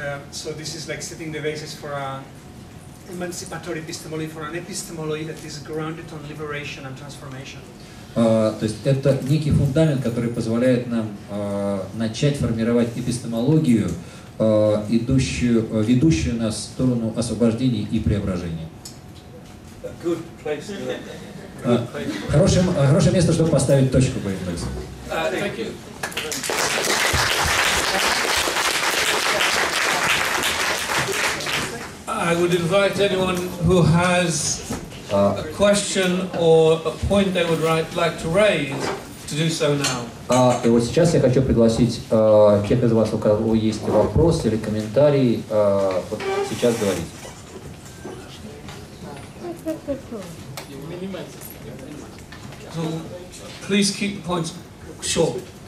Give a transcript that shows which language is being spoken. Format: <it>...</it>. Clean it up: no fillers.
<en>So this is like setting the basis for an emancipatory epistemology, for an epistemology that is grounded on liberation and transformation.</en> <ru>То есть это некий фундамент, который позволяет нам начать формировать эпистемологию, ведущую нас в сторону освобождения и преображения.</ru> <en>Good place.</en> <ru>Хорошее место, чтобы поставить точку по этому.</ru> <en>Thank you. I would invite anyone who has a question or a point they would like to raise to do so now.</en> <ru>И вот сейчас я хочу пригласить тех из вас, у кого есть вопрос или комментарий, вот сейчас говорить. Не вынимайте.</ru> <en>Please keep the points short.</en>